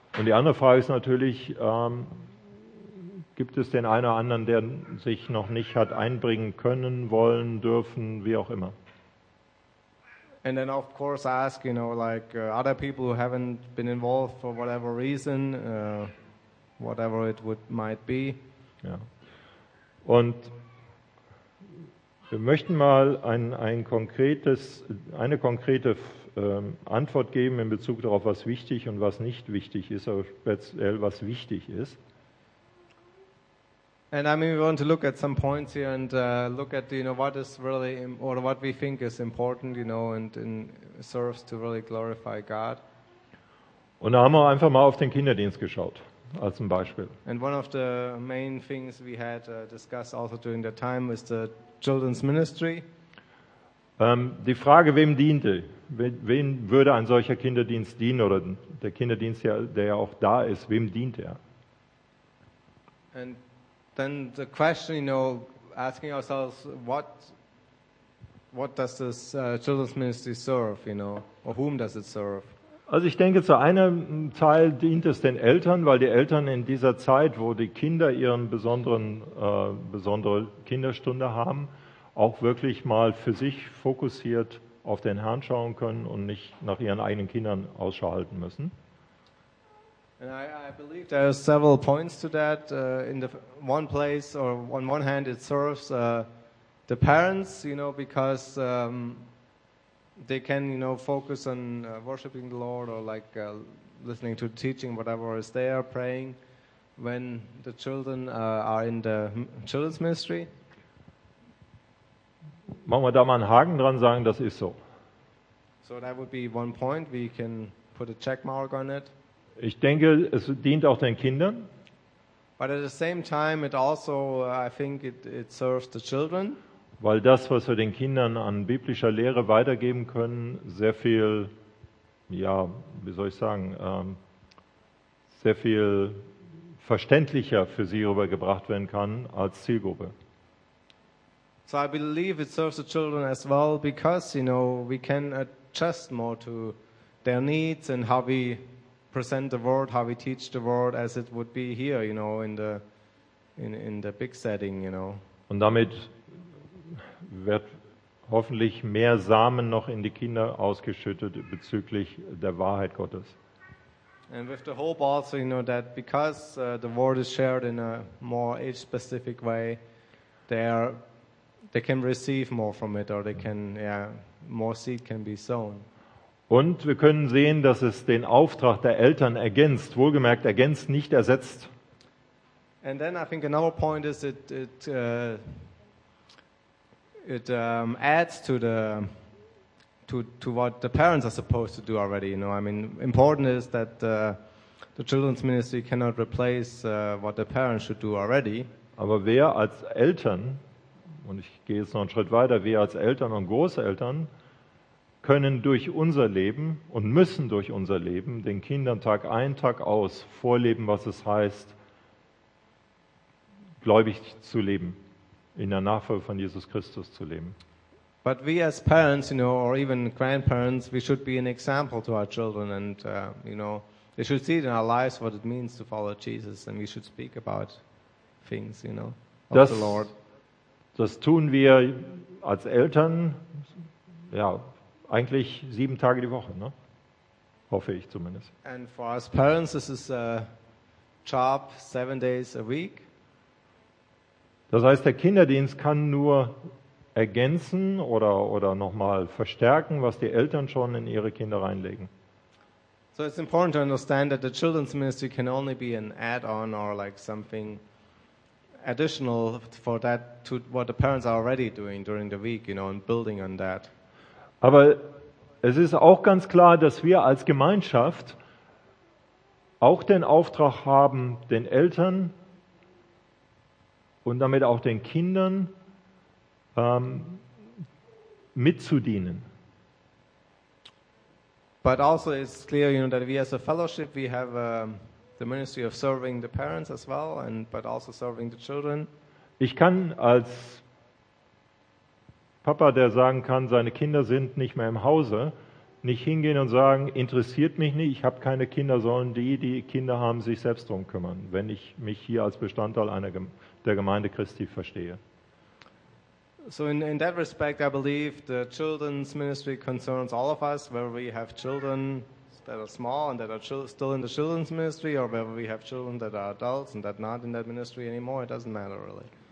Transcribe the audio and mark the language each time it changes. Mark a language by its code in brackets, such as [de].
[de] Und die andere Frage ist natürlich, gibt es den einen oder anderen, der sich noch nicht hat einbringen können, wollen, dürfen, wie auch immer? [en] And then of course I ask, you know, like other people who haven't been involved for whatever reason, whatever it would might be. [de] Ja. Und wir möchten mal eine konkrete Antwort geben in Bezug darauf, was wichtig und was nicht wichtig ist, aber speziell was wichtig ist. [en] And I mean, we want to look at some points here and look at, you know, what is really or what we think is important, you know, and serves to really glorify God. [de] Und da haben wir einfach mal auf den Kinderdienst geschaut. Als ein Beispiel. [en] And one of the main things we had discussed also during that time was the children's ministry. [de] Die Frage, wem diente? Wen würde ein solcher Kinderdienst dienen? Oder der Kinderdienst, der ja auch da ist, wem dient er? [en] And then the question, you know, asking ourselves, what does this children's ministry serve, you know, or whom does it serve? [de] Also ich denke, zu einem Teil dient es den Eltern, weil die Eltern in dieser Zeit, wo die Kinder ihren besondere Kinderstunde haben, auch wirklich mal für sich fokussiert auf den Herrn schauen können und nicht nach ihren eigenen Kindern Ausschau halten müssen. [en] And I believe there are several points to that. In the one place, or on one hand, it serves the parents, you know, because they can, you know, focus on worshiping the Lord or like listening to the teaching, whatever is there, praying when the children are in the children's ministry. [de] Machen wir da mal einen Haken dran, sagen, das ist so. [en] So that would be one point. We can put a check mark on it. [de] Ich denke, es dient auch den Kindern. [en] But at the same time, it also, I think, it serves the children. [de] Weil das, was wir den Kindern an biblischer Lehre weitergeben können, sehr viel, ja, wie soll ich sagen, sehr viel verständlicher für sie rübergebracht werden kann als Zielgruppe. [en] So I believe it serves the children as well, because, you know, we can adjust more to their needs and how we present the word, how we teach the word, as it would be here, you know, in the big setting, you know. [de] Und damit wird hoffentlich mehr Samen noch in die Kinder ausgeschüttet bezüglich der Wahrheit Gottes. [en] And with the hope also, you know, that because the word is shared in a more age-specific way, they can receive more from it, or they can, yeah, more seed can be sown. [de] Und wir können sehen, dass es den Auftrag der Eltern ergänzt, wohlgemerkt ergänzt, nicht ersetzt. [en] And then I think another point is it adds to what the parents are supposed to do already. You know, I mean, important is that the children's ministry cannot replace what the parents should do already. [de] Aber wer als Eltern, und ich gehe jetzt noch einen Schritt weiter, wir als Eltern und Großeltern können durch unser Leben und müssen durch unser Leben den Kindern Tag ein, Tag aus vorleben, was es heißt, gläubig zu leben, in der Nachfolge von Jesus Christus zu leben. [en] But we as parents, you know, or even grandparents, we should be an example to our children, and you know, they should see it in our lives what it means to follow Jesus, and we should speak about things, you know, of [de] das, [en] the Lord. [de] Das tun wir als Eltern, ja, eigentlich 7 Tage die Woche, ne? Hoffe ich zumindest. [en] And for us parents, this is a job 7 days a week. [de] Das heißt, der Kinderdienst kann nur ergänzen oder nochmal verstärken, was die Eltern schon in ihre Kinder reinlegen. [en] So it's important to understand that the children's ministry can only be an add-on or like something additional for that to what the parents are already doing during the week, you know, and building on that. [de] Aber es ist auch ganz klar, dass wir als Gemeinschaft auch den Auftrag haben, den Eltern und damit auch den Kindern mitzudienen. [en] But also it's clear, you know, that we as a fellowship, we have the ministry of serving the parents as well, and but also serving the children. [de] Ich kann als Papa, der sagen kann, seine Kinder sind nicht mehr im Hause, nicht hingehen und sagen, interessiert mich nicht, ich habe keine Kinder, sollen die Kinder haben, sich selbst drum kümmern, wenn ich mich hier als Bestandteil einer der Gemeinde Christi verstehe. [en] So in that respect, I believe the children's ministry concerns all of us, where we have children that are small and that are still in the children's ministry, or whether we have children that are adults and that not in that ministry anymore, it doesn't matter really.